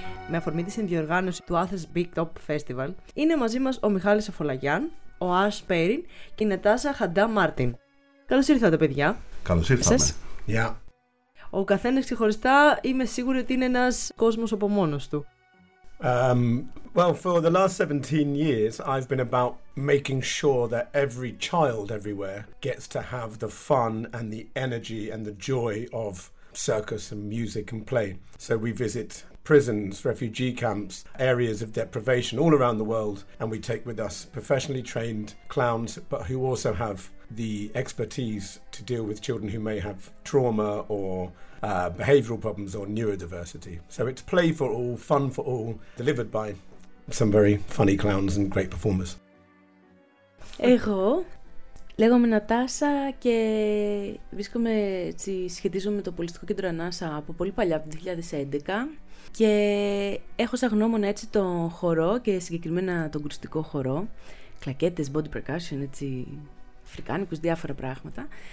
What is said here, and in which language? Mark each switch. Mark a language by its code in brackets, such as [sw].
[el] Με αφορμή τη συνδιοργάνωση του Athens Big Top Festival, είναι μαζί μας ο Μιχάλης Αφολαγιάν, ο Ash Perrin και η Νατάσα Χαντά Μάρτιν. Καλώς ήρθατε, παιδιά. Καλώς ήρθατε. Γεια. Ο καθένας ξεχωριστά είμαι σίγουρη ότι είναι ένας κόσμος από μόνος του. [en] Well, for the last 17 years, I've been about making sure that every child everywhere gets to have the fun and the energy and the joy of circus and music and play. So we visit prisons, refugee camps, areas of deprivation all around the world, and we take with us professionally trained clowns, but who also have the expertise to deal with children who may have trauma or behavioural problems or neurodiversity. So it's play for all, fun for all, delivered by some very funny clowns and great performers. [el] Εγώ λέγομαι Νατάσα και βρίσκομαι, σχετίζομαι με το Πολιτιστικό Κέντρο Ανάσα από πολύ παλιά, από το 2011, και έχω σαν γνώμονα έτσι τον χορό και συγκεκριμένα τον κουριστικό χορό, κλακέτες, body percussion, έτσι, αφρικάνικους, διάφορα πράγματα.